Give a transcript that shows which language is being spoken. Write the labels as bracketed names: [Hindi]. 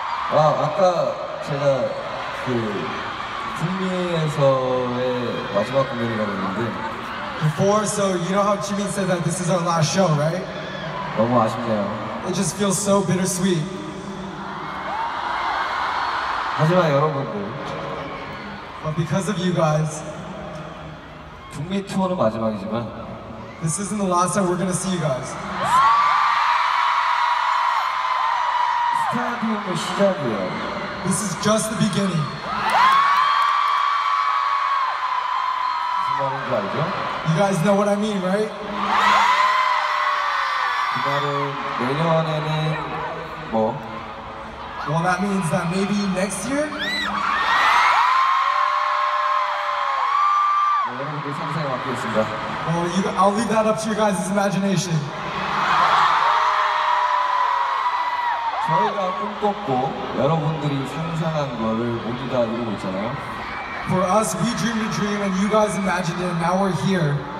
[Korean] 아, 아까 제가 그 국내에서의 마지막 공연이라고 했는데 [English] Before, so you know how Jimmy said that this is our last show, right? [Korean] 너무 아쉽네요. [English] It just feels so bittersweet. [Korean] 하지만 여러분들 [English] But because of you guys [Korean] 국내 투어는 마지막이지만 [English] This isn't the last time we're gonna see you guys. [Korean] 스타디움의 시작이에요. [English] This is just the beginning. [Korean] 무슨 말인지 알죠? [English] You guys know what I mean, right? [Korean] 그 말은 내년에는 뭐? [English] Well, that means that maybe next year? [Korean] 여러분들 상상에 맡고 있습니다. [English] Well, I'll leave that up to your guys' imagination. [Korean] 저희가 꿈꿨고 여러분들이 상상한 거를 모두 다 이루고 있잖아요. [English] For us, we dreamed a dream and you guys imagined it and now we're here.